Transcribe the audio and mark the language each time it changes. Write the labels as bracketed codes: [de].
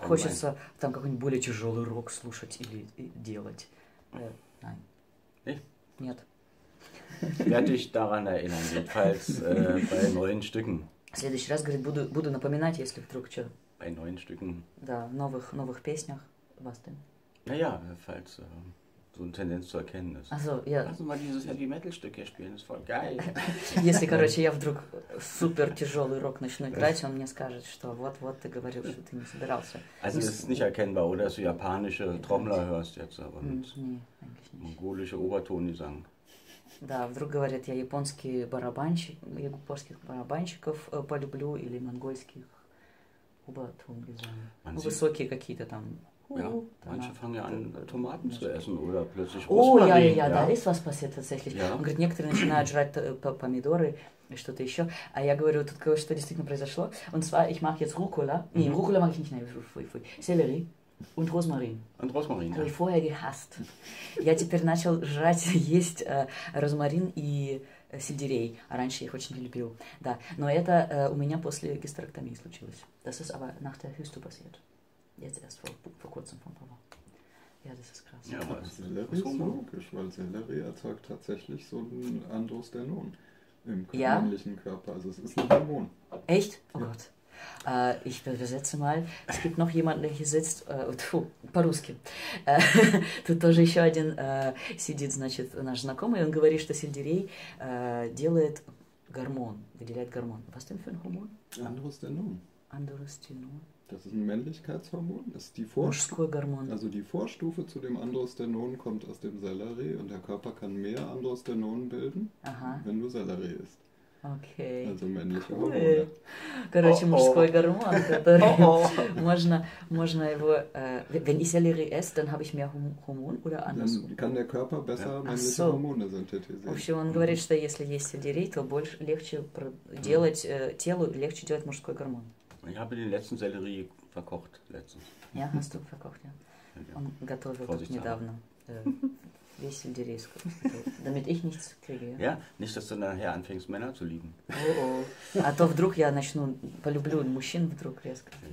[ru] Хочется [de] allgemein. [ru] Там какой-нибудь более тяжелый рок слушать или делать? [de] Nein. Nee. [ru] Нет. [de] Ich werde dich daran erinnern, jedenfalls bei neuen Stücken. [ru] Следующий раз, говорит, буду напоминать, если вдруг что. [de] Bei neuen Stücken. [ru] Да, в новых песнях. [de] Was denn? Naja, falls so eine Tendenz zu erkennen ist. Also, ja. Lass uns mal dieses Heavy Metal Stück hier spielen, ist voll geil. [ru] Если, короче, я вдруг супер тяжелый рок начну играть, он мне скажет, что вот-вот ты говорил, что ты не собирался. [de] Also, das ist nicht erkennbar, oder? Dass du japanische Trommler hörst jetzt, aber mit mongolische Obertongesang. [ru] Да, вдруг говорят, я японские барабанщики, японских барабанщиков полюблю или монгольских оба высокие какие-то там. [de] Ja, manche fangen ja an, Tomaten zu essen oder plötzlich Rosmarin. Oh, ja, ja, ja, da ist was passiert tatsächlich. Ja. [ru] Он говорит, некоторые начинают жрать помидоры и что-то еще. А я говорю, тут кое-что действительно произошло. [de] Und zwar, ich mache jetzt Rucola. Mm-hmm. Nee, Rucola mache ich nicht, Sellerie. Und Rosmarin. Und Rosmarin, ja. Habe ich vorher gehasst. [ru] Я теперь начал жрать, есть розмарин и сельдерей. А раньше я их очень не любил. Да. Но это у меня после гистерэктомии случилось. [de] Das ist aber nach der Hüste passiert. Jetzt erst vor kurzem von Papa. Ja, das ist krass. Ja, aber Sellerie ist unlogisch, weil Sellerie erzeugt tatsächlich so ein Androstenon im männlichen Körper. Also es ist ein Hormon. Echt? Oh ja. Gott. Ich übersetze mal, es gibt noch jemanden, der hier sitzt, [ru] по-русски, тут тоже еще один сидит, значит, наш знакомый, он говорит, что сельдерей делает гормон, выделяет гормон. [de] Was denn für ein Hormon? Androstenon. Androstenon. Das ist ein Männlichkeitshormon, das ist die [ru] Mужской гормон. [de] Also die Vorstufe zu dem Androstenon kommt aus dem Sellerie und der Körper kann mehr Androstenon bilden, aha, wenn du Sellerie isst. [ru] Окей. [de] Okay. Cool. [ru] Короче, мужской гормон, который можно его. [de] Wenn ich Sellerie esse, dann habe ich mehr Hormon oder anders. Dann kann der Körper besser männliche Hormone synthetisieren. В общем, он говорит, что если есть сельдерей, то больше легче делать телу легче делать мужской гормон. Ich habe den letzten Sellerie verkocht letztens. Ja, hast du verkocht, ja. [ru] Он готовил тут недавно. [de] Wie sind die Risiken? Also, damit ich nichts kriege. Ja, nicht, dass du nachher anfängst, Männer zu lieben. Oh, oh. [ru] Вдруг я начну полюблю мужчин вдруг резко.